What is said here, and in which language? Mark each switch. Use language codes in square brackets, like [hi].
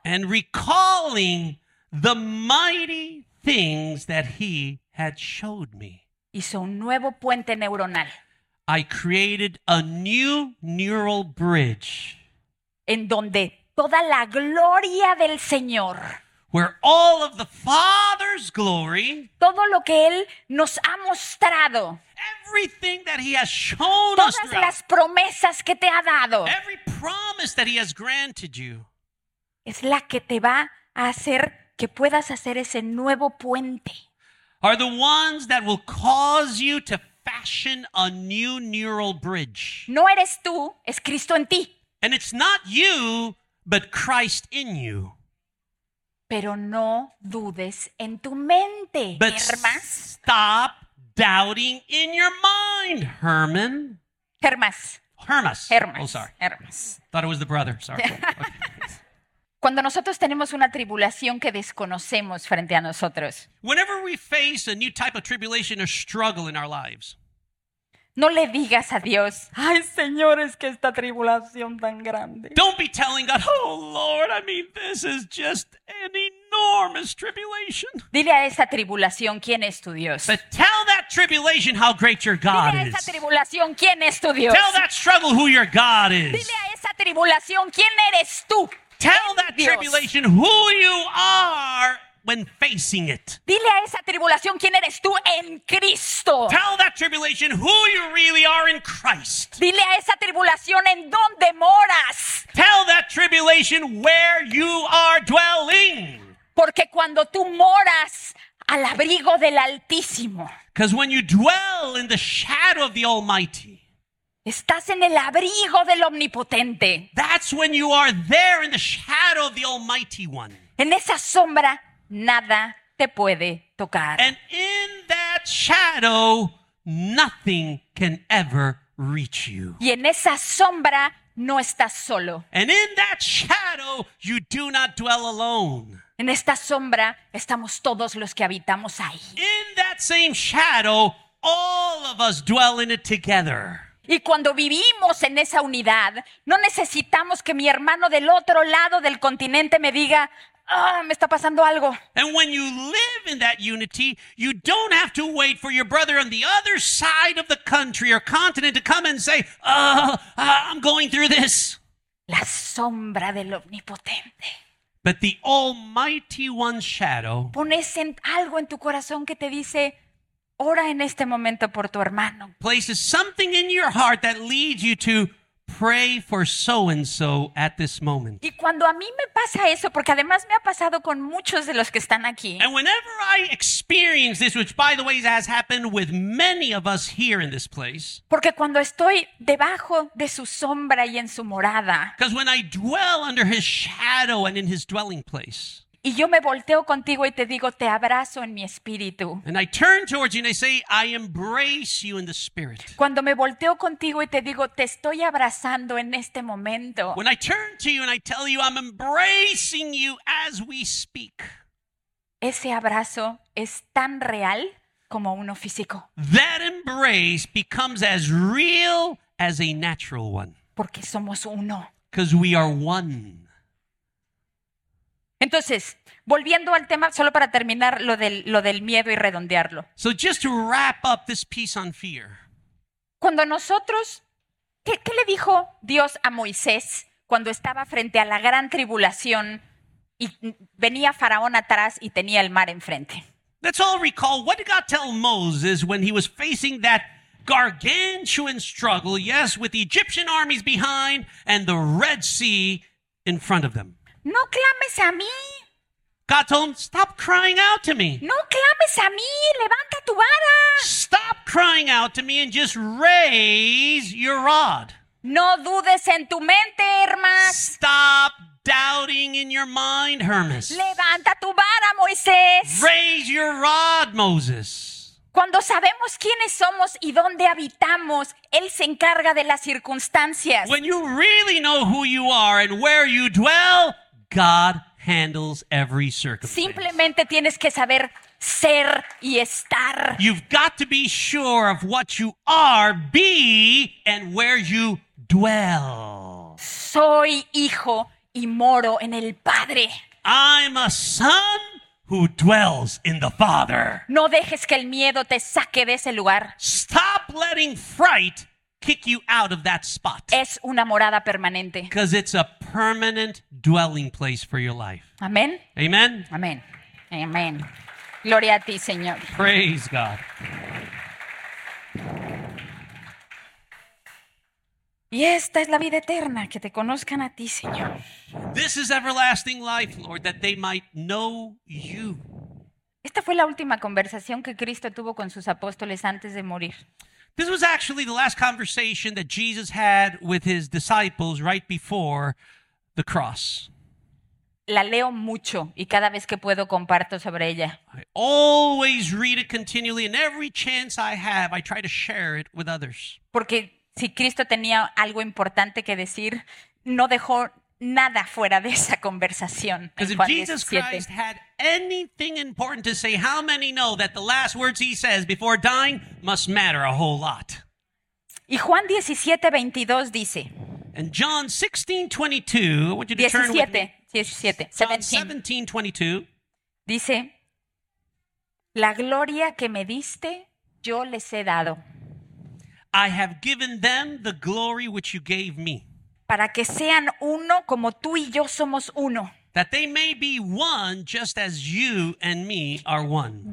[en] And recalling the mighty things that he had showed me. [es] Hizo un nuevo puente neuronal. [en] I created a new neural bridge. [es] En donde toda la gloria del Señor. [en] Where all of the Father's glory. [es] Todo lo que él nos ha mostrado. [en] Everything that he has shown [es] todas [en] us. [es] Todas las promesas que te ha dado. [en] Every promise that he has granted you. [es] Es la que te va a hacer que puedas hacer ese nuevo puente. [en] Are the ones that will cause you to fashion a new neural bridge. [es] No eres tú, es Cristo en ti. [en] And it's not you, but Christ in you. [es] Pero no dudes en tu mente, Hermas. [en] Stop doubting in your mind, Herman. Hermas. Oh, sorry. Hermas. Thought it was the brother. Sorry. Okay. [es] Cuando nosotros tenemos una tribulación que desconocemos frente a nosotros, [en] whenever we face a new type of tribulation or struggle in our lives, [es] no le digas a Dios, ay, Señor, es que esta tribulación tan grande. [en] Don't be telling God, oh, Lord, I mean, this is just an enormous tribulation. [es] Dile a esa tribulación, ¿quién es tu Dios? [en] But tell that tribulation how great your God is. [es] Dile a esa tribulación, ¿quién es tu Dios? [en] Tell that struggle who your God is. [es] Dile a esa tribulación, ¿quién eres tú? [en] Tell that tribulation who you are. When facing it. [es] Dile a esa tribulación quién eres tú en Cristo. [en] Tell that tribulation who you really are in Christ. [es] Dile a esa tribulación en dónde moras. [en] Tell that tribulation where you are dwelling. [es] Porque cuando tú moras al abrigo del Altísimo. [en] Because when you dwell in the shadow of the Almighty. [es] Estás en el abrigo del Omnipotente. [en] That's when you are there in the shadow of the Almighty One. [es] En esa sombra nada te puede tocar. [en] And in that shadow, nothing can ever reach you. [es] Y en esa sombra, no estás solo. [en] And in that shadow, you do not dwell alone. [es] En esta sombra, estamos todos los que habitamos ahí. [en] In that same shadow, all of us dwell in it together. [es] Y cuando vivimos en esa unidad, no necesitamos que mi hermano del otro lado del continente me diga, ah, me está pasando algo. [en] And when you live in that unity, you don't have to wait for your brother on the other side of the country or continent to come and say, I'm going through this. [es] La sombra del Omnipotente. [en] But the Almighty One's shadow. [es] Pones algo en tu corazón que te dice, ora en este momento por tu hermano. [en] Places something in your heart that leads you to pray for so and so at this moment. [es] Y cuando a mí me pasa eso, porque además me ha pasado con muchos de los que están aquí. [en] And whenever I experience this, which by the way has happened with many of us here in this place. [es] Porque cuando estoy debajo de su sombra y en su morada. [en] Because when I dwell under his shadow and in his dwelling place. [es] Y yo me volteo contigo y te digo, te abrazo en mi espíritu. [en] And I turn towards you and I say, I embrace you in the spirit. [es] Cuando me volteo contigo y te digo, te estoy abrazando en este momento. [en] When I turn to you and I tell you, I'm embracing you as we speak. [es] Ese abrazo es tan real como uno físico. [en] That embrace becomes as real as a natural one. [es] Porque somos uno. [en] Because we are one. [es] Entonces, volviendo al tema, solo para terminar lo del miedo y redondearlo. [en] So just to wrap up this piece on fear. [es] Cuando nosotros ¿Qué le dijo Dios a Moisés cuando estaba frente a la gran tribulación y venía Faraón atrás y tenía el mar enfrente? [en] Let's all recall, what did God tell Moses when he was facing that gargantuan struggle, yes, with the Egyptian armies behind and the Red Sea in front of them? [es] No clames a mí. [en] God told him, stop crying out to me. [es] No clames a mí, levanta tu vara. [en] Stop crying out to me and just raise your rod. [es] No dudes en tu mente, Hermas. [en] Stop doubting in your mind, Hermas. [es] Levanta tu vara, Moisés. [en] Raise your rod, Moses. [es] Cuando sabemos quiénes somos y dónde habitamos, Él se encarga de las circunstancias. [en] When you really know who you are and where you dwell, God handles every circumstance. [es] Simplemente tienes que saber ser y estar. [en] You've got to be sure of what you are, be, and where you dwell. [es] Soy hijo y moro en el Padre. [en] I'm a son who dwells in the Father. [es] No dejes que el miedo te saque de ese lugar. [en] Stop letting fright kick you out of that spot. [es] Es una morada permanente. [en] Because it's a permanent dwelling place for your life. Amen. Amen. [es] Amen. Amen. Gloria a ti, Señor. [en] Praise God. [es] Y esta es la vida eterna, que te conozcan a ti, Señor. [en] This is everlasting life, Lord, that they might know you. [es] Esta fue la última conversación que Cristo tuvo con sus apóstoles antes de morir. [en] This was actually the last conversation that Jesus had with his disciples right before the cross. [es] La leo mucho y cada vez que puedo comparto sobre ella. [en] I always read it continually, and every chance I have, I try to share it with others. [es] Porque si Cristo tenía algo importante que decir, no dejó nada fuera de esa conversación. [en] Because if Jesus Christ had anything important to say, how many know that the last words he says before dying must matter a whole lot? [es] Y Juan 17:22 dice. [en] And John 16:22, I want you to 17, turn with me. 17, John 17:22. [es] Dice, la gloria que me diste, yo les he dado. [en] I have given them the glory which you gave me. [es] Para que sean uno como tú y yo somos uno. [en] That they may be one just as you and me are one.